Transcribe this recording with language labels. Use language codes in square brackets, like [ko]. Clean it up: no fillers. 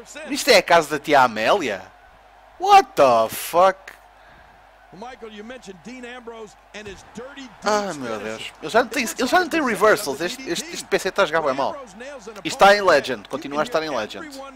[pt] Isto é a casa da tia Amélia? [en] What the fuck? Michael, you mentioned Dean Ambrose and his dirty deeds. [pt] Ah, meu Deus. Ele já não tem reversals. Este PC está a jogar bem mal. E está em Legend. Continua a estar em Legend.